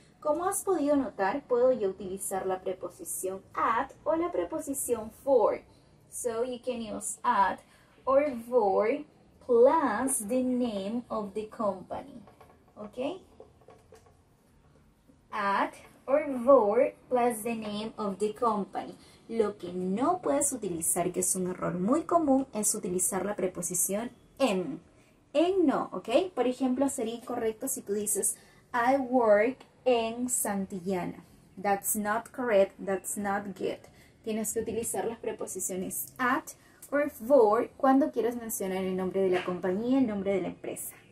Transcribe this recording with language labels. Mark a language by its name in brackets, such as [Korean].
[Spanish] Como has podido notar, puedo yo utilizar la preposición at o la preposición for. [English] So you can use at or for plus the name of the company. ¿Ok? At or for plus the name of the company. [Spanish] Lo que no puedes utilizar, que es un error muy común, es utilizar la preposición en. En no, ¿ok? Por ejemplo, sería incorrecto si tú dices [English] I work [Spanish] en Santillana. [English] That's not correct, that's not good. [Spanish] Tienes que utilizar las preposiciones at or for cuando quieras mencionar el nombre de la compañía, el nombre de la empresa.